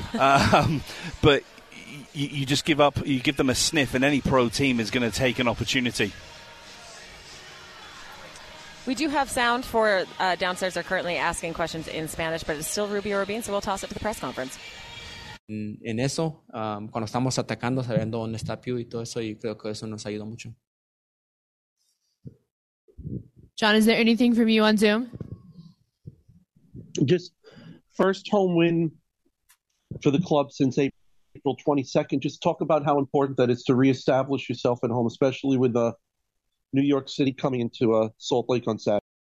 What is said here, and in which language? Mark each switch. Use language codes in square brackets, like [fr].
[en] but you just give up, you give them a sniff, and any pro team is going to take an opportunity. We do have sound for downstairs. Are currently asking questions in Spanish, but it's still Rubio Rubin, so we'll toss it to the press conference. [es] En eso, cuando estamos atacando, sabiendo dónde está Pew y todo eso, y creo que eso nos ayuda mucho. [en] John, is there anything from you on Zoom? Just first home win for the club since April 22nd. Just talk about how important that is to reestablish yourself at home, especially with New York City coming into Salt Lake on Saturday.